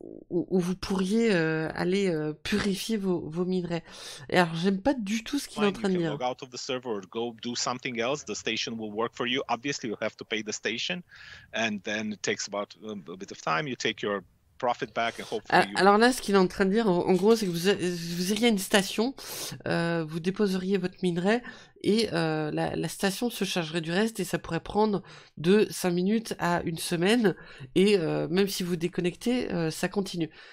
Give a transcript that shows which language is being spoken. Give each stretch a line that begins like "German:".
French: Où vous pourriez aller purifier vos minerais. Et alors, j'aime pas du tout ce qu'il est en train de dire.
English: Obviously, you have to pay the station, and then it takes about a bit of time. You take your profit back and hopefully you...
French: Alors là, ce qu'il est en train de dire, en gros, c'est que vous iriez à une station, vous déposeriez votre minerai, et la station se chargerait du reste, et ça pourrait prendre de 5 minutes à une semaine, et même si vous déconnectez, ça continue.